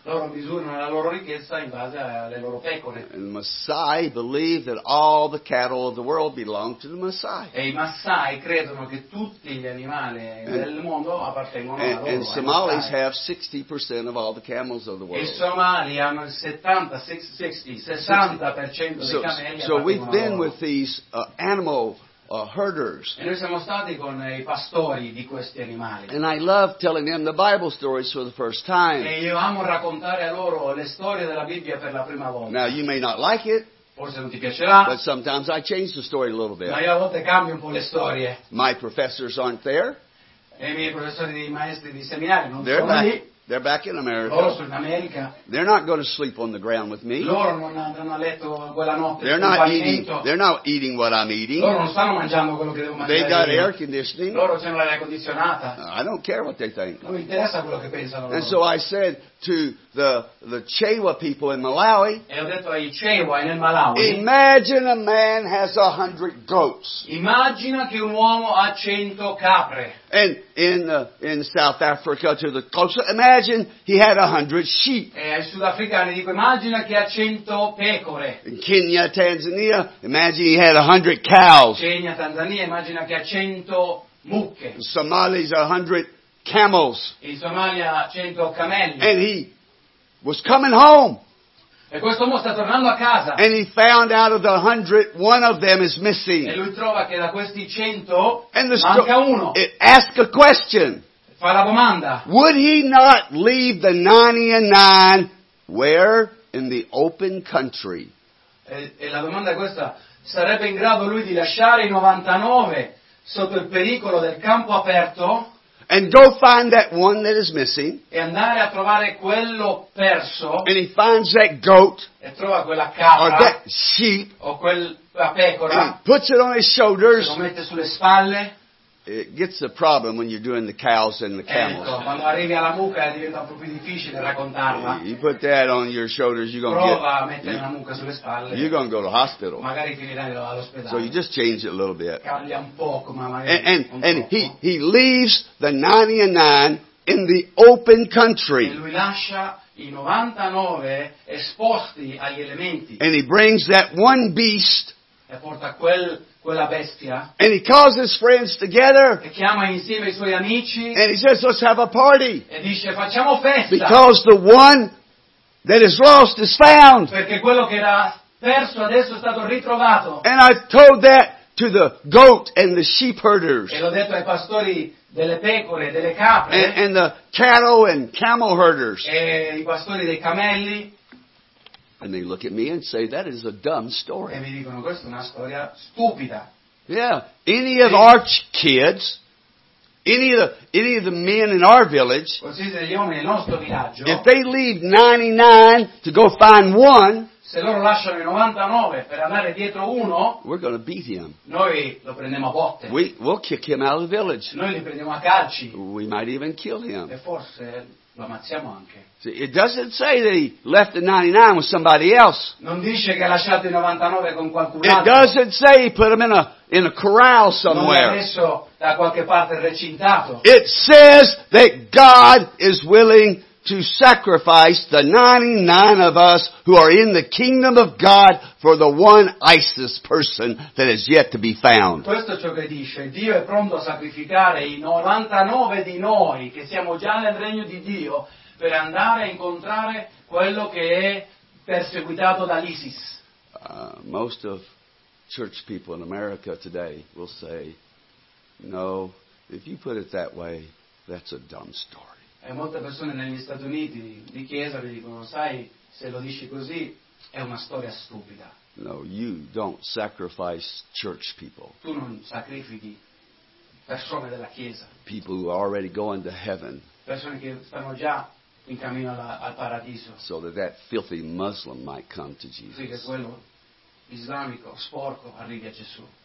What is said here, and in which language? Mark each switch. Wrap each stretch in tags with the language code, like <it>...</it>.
<it>Loro misurano la loro ricchezza in base alle loro pecore.</it> <en>And the Maasai believe that all the cattle of the world belong to the Maasai.</en> <it>E i Maasai credono che tutti gli animali del mondo appartengono a loro.</it> <en>And Somalis have 60% of all the camels of the world.</en> <it>I Somali hanno il 60% dei camelli.</it> <en>So we've been with these animal herders.</en> <it>E noi siamo stati con i pastori di questi animali.</it> <en>And I love telling them the Bible stories for the first time.</en> <it>E io amo raccontare a loro le storie della Bibbia per la prima volta.</it> <en>Now you may not like it.</en> <it>Forse non ti piacerà.</it> <en>But sometimes I change the story a little bit.</en> <it>Ma io a volte cambio un po' le storie.</it> <en>My professors aren't there.</en> <it>E i miei professori di maestri di seminario non</it> <en>They're</en> <it>sono</it> <en>back,</en> <it>lì.</it> <en>They're back in America.</en> <it>Loro sono in America.</it> <en>They're not going to sleep on the ground with me.</en> <it>Loro non andranno a letto quella notte.</it> <en>They're not eating. They're not eating what I'm eating.</en> <it>Loro non stanno mangiando quello che devo mangiare.</it> <en>They got air conditioning.</en> <it>Loro hanno l'aria condizionata.</it> <en>I don't care what they think.</en> <it>Non mi interessa quello che pensano loro.</it> <en>And so I said to the Chewa people in Malawi.</en> <it>E ho detto ai Chewa nel Malawi.</it> <en>Imagine a man has 100 goats.</en> <it>Immagina che un uomo ha 100 capre.</it> <en>And in South Africa to the coast, imagine he had 100 sheep.</en> <it>E ai sudafricani dico immagina che ha 100 pecore.</it> <en>In Kenya, Tanzania, imagine he had 100 cows.</en> <it>Kenya, Tanzania, immagina che ha 100 mucche.</it> <en>In Somalia's 100 camels.</en> <it>In Somalia 100 camelli.</it> <en>And he was coming home.</en> <it>E questo uomo sta tornando a casa.</it> <en>And he found out of the 100, one of them is missing.</en> <it>E lui trova che da questi 100 manca uno.</it> <en>It asks a question.</en> <it>Fa la domanda.</it> <en>Would he not leave the 99 where? In the open country.</en> <it>E la domanda è questa. Sarebbe in grado lui di lasciare i 99 sotto il pericolo del campo aperto?</it> <en>And go find that one that is missing.</en> <it>E andare a trovare quello perso.</it> <en>And he finds that goat.</en> <it>E trova quella capra.</it> <en>Or that sheep.</en> <it>O quella pecora.</it> <en>And puts it on his shoulders.</en> <it>Lo mette sulle spalle.</it> <en>It gets a problem when you're doing the cows and the camels.</en> <it>Ecco, quando arrivi alla mucca diventa proprio difficile raccontarla.</it> <en>You put that on your shoulders, you're gonna</en> <it>prova</it> <en>get.</en> <it>Prova a mettere una mucca sulle spalle.</it> <en>You're gonna go to hospital.</en> <it>Magari finirai all'ospedale.</it> <en>So you just change it a little bit.</en> <it>Cambia un poco, ma magari.</it> <en>And he leaves the 99 in the open country.</en> <it>E lui lascia i 99 esposti agli elementi.</it> <en>And he brings that one beast.</en> <it>E porta quella bestia.</it> <en>And he calls his friends together.</en> <it>E chiama insieme i suoi amici.</it> <en>And he says, let's have a party.</en> <it>E dice, facciamo festa.</it> <en>Because the one that is lost is found.</en> <it>Perché quello che era perso adesso è stato ritrovato.</it> <en>And I told that to the goat and the sheep herders.</en> <it>E l'ho detto ai pastori delle pecore, delle capre.</it> <en>And the cattle and camel herders.</en> <it>E i pastori dei camelli.</it> <en>And they look at me and say, that is a dumb story.</en> <it>E mi dicono, questa è una storia stupida.</it> <en>Yeah, any of our kids, any of the men in our village,</en> <it>qualsiasi degli uomini nel nostro villaggio,</it> <en>if they leave 99 to go find one,</en> <it>se loro lasciano i 99 per andare dietro uno,</it> <en>we're going to beat him.</en> <it>Noi lo prendiamo a botte.</it> <en>We'll kick him out of the village.</en> <it>Noi li prendiamo a calci.</it> <en>We might even kill him.</en> <it>E forse lo ammazziamo anche.</it> <en>It doesn't say that he left the 99 with somebody else.</en> <it>Non dice che ha lasciato i 99 con qualcun altro.</it> <en>It doesn't say he put him in a corral somewhere.</en> <it>Non è messo da qualche parte recintato.</it> <en>It says that God is willing to sacrifice the 99 of us who are in the kingdom of God for the one ISIS person that is yet to be found.</en> <it>Questo è ciò che dice. Dio è pronto a sacrificare i 99 di noi che siamo già nel regno di Dio per andare a incontrare quello che è perseguitato dall'ISIS.</it> <en>Most of church people in America today will say, no, if you put it that way, that's a dumb story.</en> <it>E molte persone negli Stati Uniti di chiesa vi dicono, sai, se lo dici così, è una storia stupida.</it> <en>No, you don't sacrifice church people.</en> <it>Tu non sacrifichi persone della chiesa.</it> <en>People who are already going to heaven.</en> <it>Persone che stanno già in cammino al paradiso.</it> <en>So that filthy Muslim might come to Jesus.</en> <it>Sì, che quello islamico sporco arrivi a Gesù.</it>